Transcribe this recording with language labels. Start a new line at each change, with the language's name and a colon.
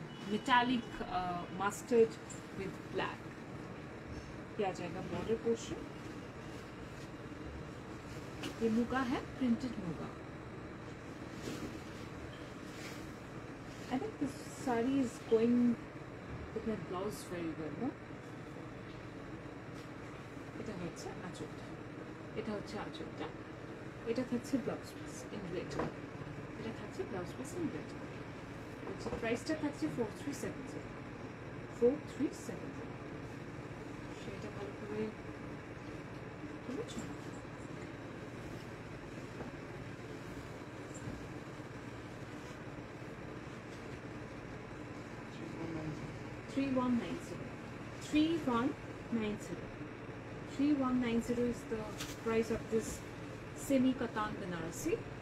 English: metallic mustard with black. Yeah, jayega border portion.
Hindi: Ye muga hai, printed muga.
English: I think this sari is going with my blouse very well, no?
Bangla: এটা হচ্ছে আঁচলটা, এটা হচ্ছে আঁচলটা, এটা থাকছে blouse piece in red, এটা থাকছে ব্লাউজ পিস ইন রেড। হচ্ছে প্রাইসটা থাকছে
English: 3190 is the price of this semi katan banarasi.